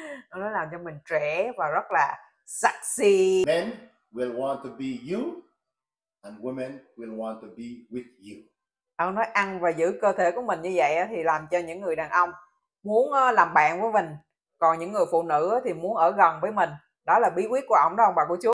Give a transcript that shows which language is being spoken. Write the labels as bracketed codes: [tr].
[vi] Ông nói làm cho mình trẻ và rất là sexy. [en] Men will want to be you and women will want to be with you. [vi] Ông nói ăn và giữ cơ thể của mình như vậy thì làm cho những người đàn ông muốn làm bạn với mình, còn những người phụ nữ thì muốn ở gần với mình. Đó là bí quyết của ông đó ông bà cô chú.